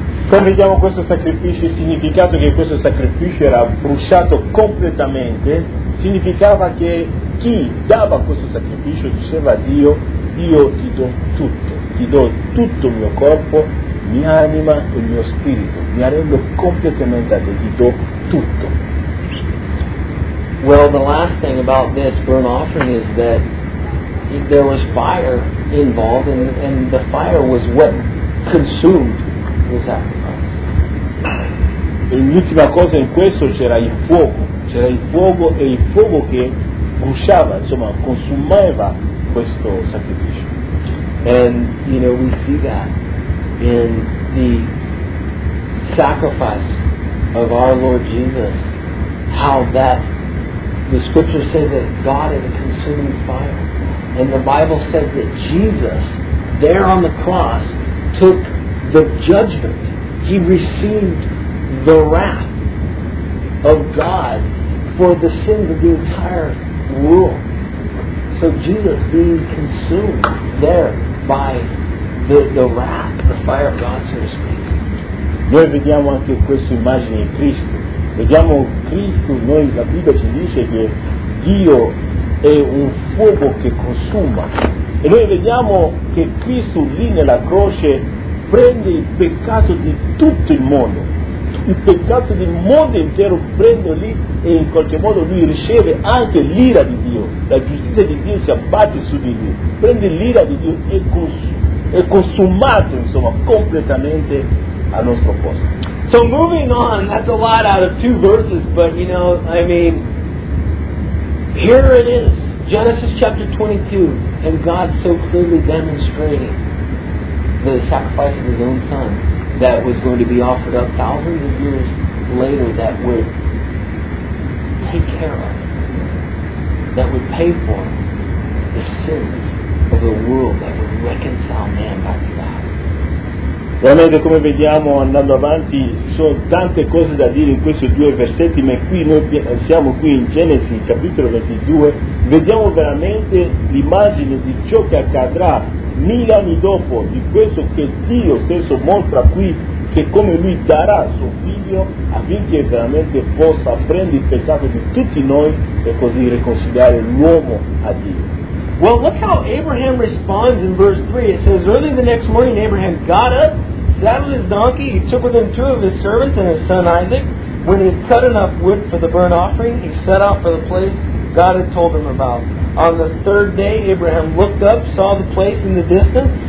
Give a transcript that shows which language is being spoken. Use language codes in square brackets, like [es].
[it] Come vediamo questo sacrificio, il significato che questo sacrificio era bruciato completamente, significava che chi dava questo sacrificio diceva a Dio, io ti do tutto il mio corpo, mia anima e il mio spirito, mi arrendo completamente a te, ti do tutto. [en] Well, the last thing about this burnt offering is that there was fire involved, and the fire was what consumed the sacrifice. [it] L'ultima cosa in questo c'era il fuoco e il fuoco che bruciava, insomma, consumava questo sacrificio. [en] And you know we see that in the sacrifice of our Lord Jesus, how that the scriptures say that God is a consuming fire. And the Bible says that Jesus, there on the cross, took the judgment. He received the wrath of God for the sins of the entire world. So Jesus being consumed there by the wrath, the fire of God, so to speak. [it] Noi vediamo anche questa immagine in Cristo. Vediamo Cristo, noi la Bibbia ci dice che Dio è un fuoco che consuma. E noi vediamo che Cristo lì nella croce prende il peccato di tutto il mondo. Il peccato del mondo intero prende lì e in qualche modo lui riceve anche l'ira di Dio. La giustizia di Dio si abbatte su di lui. Prende l'ira di Dio e è consumato, insomma, completamente al nostro posto. [en] So moving on, that's a lot out of two verses, but you know, I mean, here it is, Genesis chapter 22, and God so clearly demonstrating the sacrifice of his own son that was going to be offered up thousands of years later that would take care of, that would pay for the sins of the world, that would reconcile man back to God. [it] Veramente, come vediamo andando avanti, ci sono tante cose da dire in questi due versetti, ma qui noi siamo qui in Genesi capitolo 22, vediamo veramente l'immagine di ciò che accadrà mille anni dopo, di questo che Dio stesso mostra qui, che come lui darà suo figlio affinché veramente possa prendere il peccato di tutti noi e così riconciliare l'uomo a Dio. [en] Well, look how Abraham responds in verse 3. It says, early the next morning, Abraham got up, saddled his donkey, he took with him two of his servants and his son Isaac. When he had cut enough wood for the burnt offering, he set out for the place God had told him about. On the third day, Abraham looked up, saw the place in the distance.